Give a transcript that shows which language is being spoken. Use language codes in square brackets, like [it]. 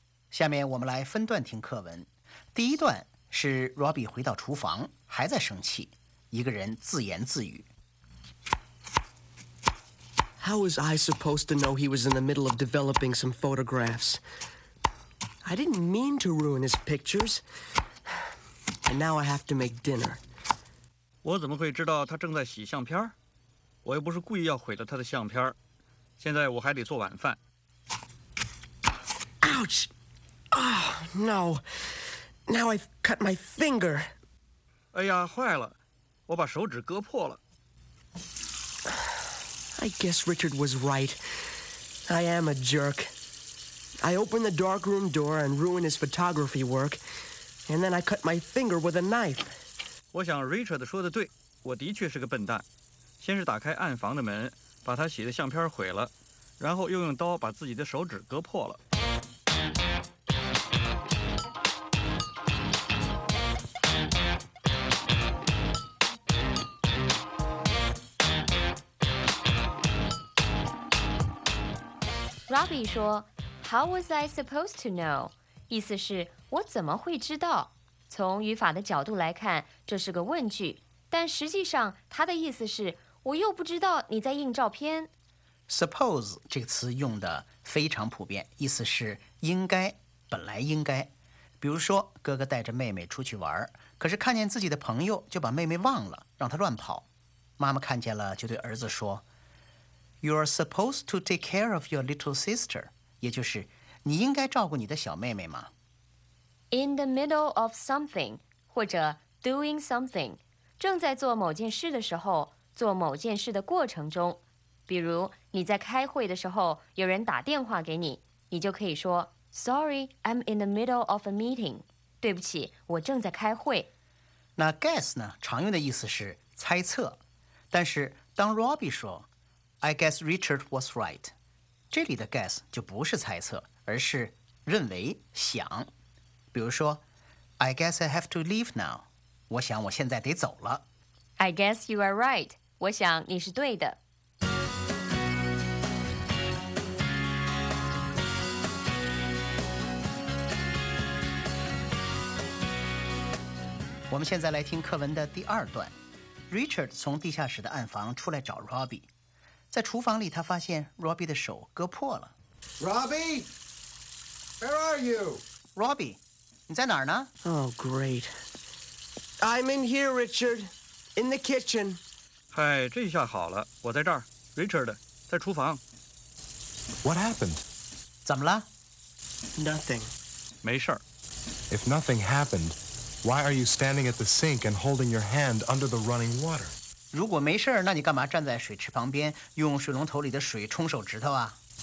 [zh] 下面我们来分段听课文。第一段是 Robbie 回到厨房，还在生气，一个人自言自语。 [en] How was I supposed to know he was in the middle of developing some photographs? I didn't mean to ruin his pictures. And now I have to make dinner. [zh] 我怎么会知道他正在洗相片？我又不是故意要毁了他的相片。现在我还得做晚饭。 [en] Ouch! Oh, no. Now I've cut my finger. [zh] 哎呀，坏了，我把手指割破了。 [en] I guess Richard was right. I am a jerk. I opened the darkroom door and ruined his photography work, and then I cut my finger with a knife. [zh] 我想 Richard 说的对，我的确是个笨蛋。先是打开暗房的门，把他洗的相片毁了，然后又用刀把自己的手指割破了。 [en] Robbie 说 How was I supposed to know? [zh] 意思是我怎么会知道？从语法的角度来看，这是个问句，但实际上它的意思是我又不知道你在印照片。 Suppose 这个词用的非常普遍，意思是应该，本来应该。比如说哥哥带着妹妹出去玩，可是看见自己的朋友就把妹妹忘了，让她乱跑。妈妈看见了就对儿子说 [en] You're supposed to take care of your little sister. [zh] 也就是你应该照顾你的小妹妹吗 [en] In the middle of something, [zh] 或者 [en] doing something, [zh] 正在做某件事的时候，做某件事的过程中。比如你在开会的时候，有人打电话给你，你就可以说 [en] Sorry, I'm in the middle of a meeting. [zh] 对不起，我正在开会。那 guess 呢，常用的意思是猜测。但是当 [en] Robbie 说I guess Richard was right. [zh] 这里的 guess 就不是猜测，而是认为、想。比如说 [en] ，I guess I have to leave now. [zh] 我想我现在得走了。 [en] I guess you are right. [zh] 我想你是对的。我们现在来听课文的第二段。Richard 从地下室的暗房出来找 Robbie。在厨房里他发现 Robbie 的手割破了。 [en] Robbie! Where are you? [zh] Robbie, 你在哪儿呢 [en] Oh, great. I'm in here, Richard. In the kitchen. [zh] 嗨，这下好了，我在这儿。 Richard, 在厨房。 [en] What happened? [zh] 怎么了 [en] Nothing. [zh] 没事儿。 [en] If nothing happened, why are you standing at the sink and holding your hand under the running water? [zh] 如果没事儿，那你干嘛站在水池旁边，用水龙头里的水冲手指头啊